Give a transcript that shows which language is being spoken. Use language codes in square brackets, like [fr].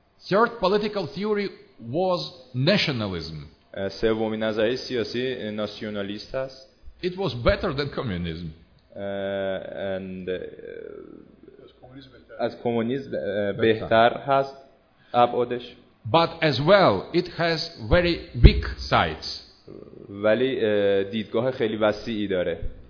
[en] Third political theory was nationalism. [fa] سومین نظریه سیاسی ناسیونالیست است. [en] It was better than communism. And [fa] از کمونیسم بهتر هست ابعادش. [en] But as well, it has very weak sides. [fa] ولی دیدگاه خیلی وسیعی داره.